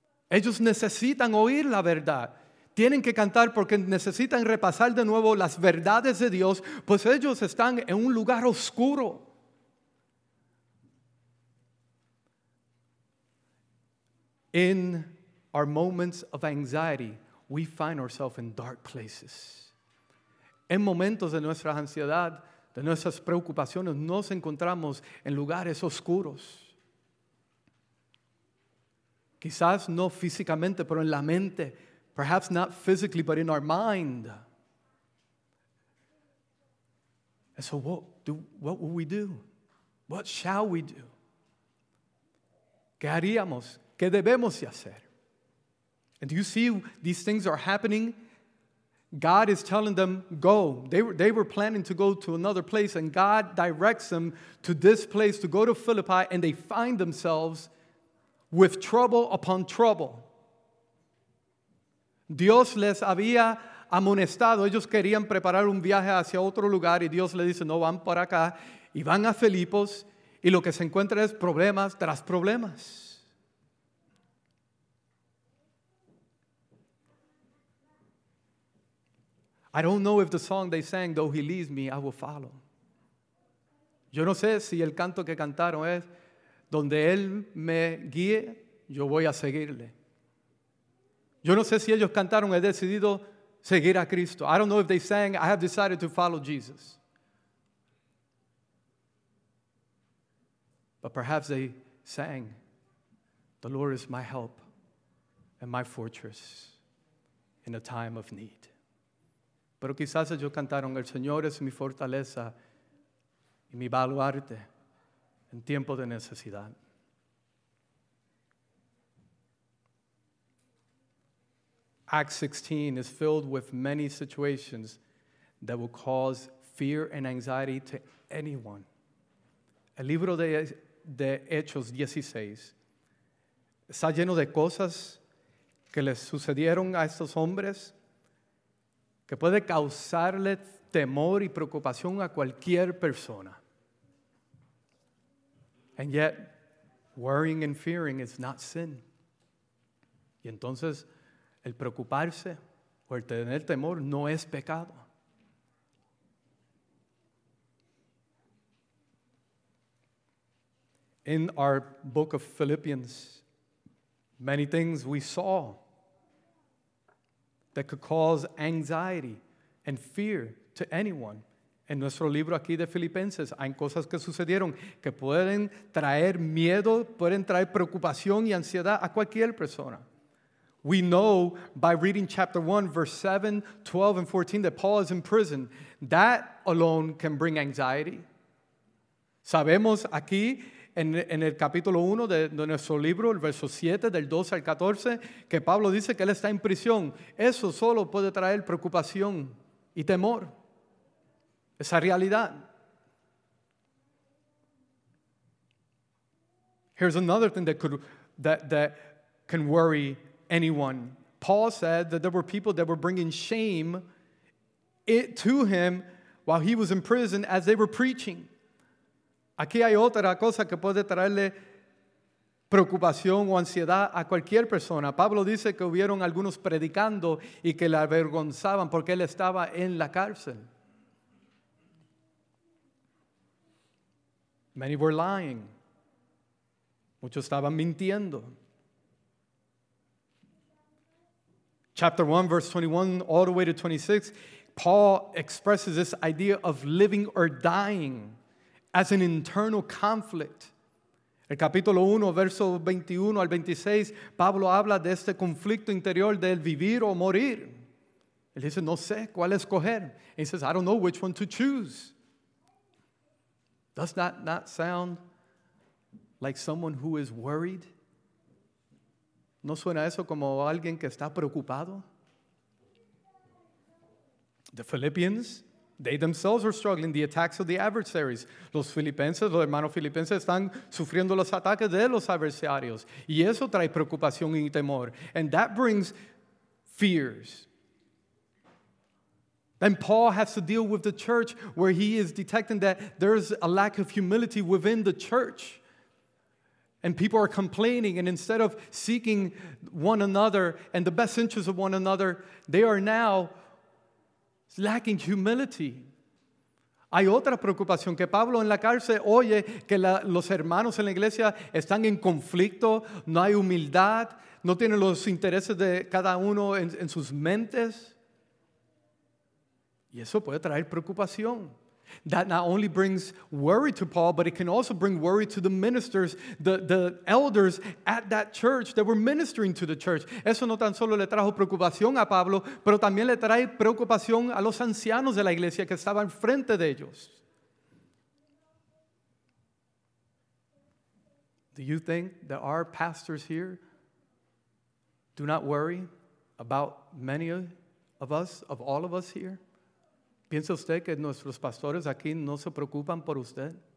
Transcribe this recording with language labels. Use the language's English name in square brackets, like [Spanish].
[Spanish] Ellos necesitan oír la verdad. Tienen que cantar porque necesitan repasar de nuevo las verdades de Dios, pues ellos están en un lugar oscuro. [English] In our moments of anxiety, we find ourselves in dark places. [Spanish] En momentos de nuestra ansiedad, de nuestras preocupaciones, nos encontramos en lugares oscuros. Quizás no físicamente, pero en la mente. [English] Perhaps not physically, but in our mind. And so what will we do? What shall we do? [Spanish] ¿Qué haríamos? ¿Qué debemos hacer? [English] And do you see these things are happening? God is telling them, go. They were planning to go to another place, and God directs them to this place, to go to Philippi, and they find themselves with trouble upon trouble. [Spanish] Dios les había amonestado. Ellos querían preparar un viaje hacia otro lugar, y Dios les dice, no, van por acá. Y van a Filipos, y lo que se encuentra es problemas tras problemas. [English] I don't know if the song they sang, though he leaves me, I will follow. [Spanish] Yo no sé si el canto que cantaron es, donde él me guíe, yo voy a seguirle. Yo no sé si ellos cantaron, he decidido seguir a Cristo. [English] I don't know if they sang, I have decided to follow Jesus. But perhaps they sang, the Lord is my help and my fortress in a time of need. [Spanish] Pero quizás ellos cantaron, el Señor es mi fortaleza y mi baluarte en tiempo de necesidad. [English] Acts 16 is filled with many situations that will cause fear and anxiety to anyone. [Spanish] El libro de Hechos 16 está lleno de cosas que les sucedieron a estos hombres que puede causarle temor y preocupación a cualquier persona. [English] And yet, worrying and fearing is not sin. [Spanish] Y entonces, el preocuparse o el tener temor no es pecado. [English] In our book of Philippians, many things we saw that could cause anxiety, and fear to anyone. [Spanish] En nuestro libro aquí de Filipenses, hay cosas que sucedieron que pueden traer miedo, pueden traer preocupación y ansiedad a cualquier persona. [English] We know by reading chapter 1, verse 7, 12, and 14 that Paul is in prison. That alone can bring anxiety. [Spanish] Sabemos aquí en el capítulo 1 de nuestro libro, el verso 7, del 12 al 14, que Pablo dice que él está en prisión. Eso solo puede traer preocupación y temor. Esa realidad. [English] Here's another thing that can worry anyone. Paul said that there were people that were bringing shame to him while he was in prison as they were preaching. [Spanish] Aquí hay otra cosa que puede traerle preocupación o ansiedad a cualquier persona. Pablo dice que hubieron algunos predicando y que le avergonzaban porque él estaba en la cárcel. [English] Many were lying. [Spanish] Muchos estaban mintiendo. [English] Chapter 1, verse 21, all the way to 26, Paul expresses this idea of living or dying as an internal conflict. [Spanish] El capítulo 1, verso 21 al 26, Pablo habla de este conflicto interior del vivir o morir. Él dice, no sé cuál escoger. [English] He says, I don't know which one to choose. Does that not sound like someone who is worried? [Spanish] ¿No suena eso como alguien que está preocupado? [English] The Philippians, they themselves are struggling the attacks of the adversaries. [Spanish] Los filipenses, los hermanos filipenses, están sufriendo los ataques de los adversarios. Y eso trae preocupación y temor. [English] And that brings fears. Then Paul has to deal with the church where he is detecting that there's a lack of humility within the church. And people are complaining, and instead of seeking one another and the best interests of one another, they are now lacking humility. [Spanish] Hay otra preocupación que Pablo en la cárcel oye que los hermanos en la iglesia están en conflicto, no hay humildad, no tienen los intereses de cada uno en sus mentes. Y eso puede traer preocupación. [English] That not only brings worry to Paul, but it can also bring worry to the ministers, the elders at that church that were ministering to the church. [Spanish] Eso no tan solo le trajo preocupación a Pablo, pero también le trae preocupación a los ancianos de la iglesia que estaban frente de ellos. [English] Do you think that our pastors here do not worry about many of us, of all of us here? [Spanish] ¿Piensa usted que nuestros pastores aquí no se preocupan por usted?